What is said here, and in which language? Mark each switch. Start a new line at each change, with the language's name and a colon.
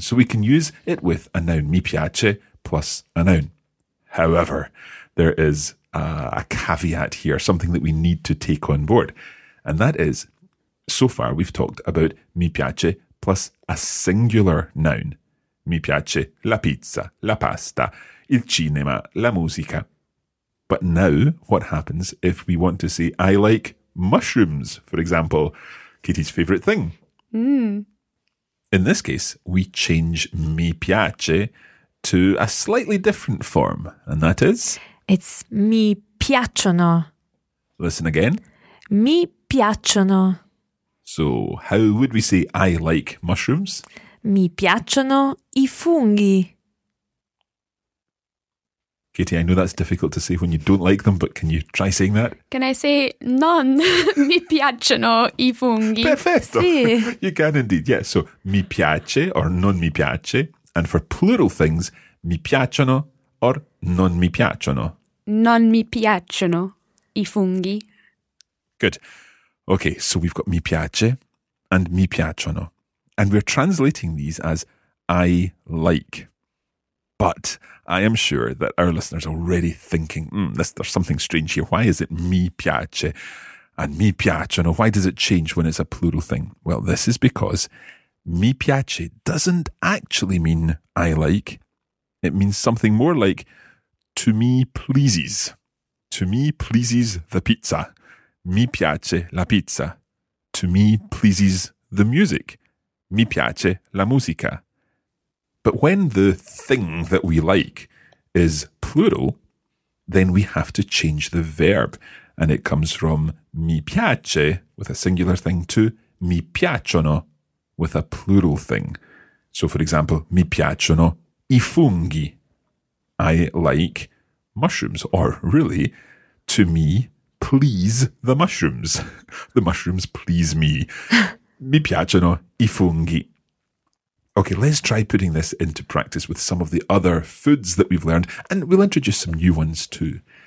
English: So we can use it with a noun. Mi piace plus a noun. However, there is a caveat here, something that we need to take on board. And that is, so far we've talked about mi piace plus a singular noun.
Italian: Mi piace la pizza, la pasta, il cinema, la musica.
English: But now what happens if we want to say I like mushrooms, for example, Katie's favourite thing? Mm. In this case, we change mi piace to a slightly different form, and that is? It's
Italian: mi piacciono.
English: Listen again.
Italian: Mi piacciono.
English: So how would we say I like mushrooms?
Italian: Mi piacciono i funghi.
English: Katie, I know that's difficult to say when you don't like them, but can you try saying that? Can I say,
Italian: non mi piacciono i funghi? Perfetto. Sì.
English: You can indeed. Yeah, so
Italian: mi piace or non mi piace. And for plural things, mi piacciono or non mi piacciono. Non mi piacciono i funghi.
English: Good. Okay, so we've got mi piace and mi piacciono. And we're translating these as I like. But I am sure that our listeners are already thinking, there's something strange here. Why is it mi piace and mi piacciono? Why does it change when it's a plural thing? Well, this is because mi piace doesn't actually mean I like. It means something more like to me pleases. To me pleases the pizza.
Italian: Mi piace la pizza.
English: To me pleases the music.
Italian: Mi piace la musica.
English: But when the thing that we like is plural, then we have to change the verb. And it comes from mi piace with a singular thing to mi piacciono with a plural thing. So, for example,
Italian: mi piacciono i funghi.
English: I like mushrooms, or really, to me, please the mushrooms. The mushrooms please me.
Italian: Mi piacciono i funghi.
English: Okay, let's try putting this into practice with some of the other foods that we've learned, and we'll introduce some new ones too.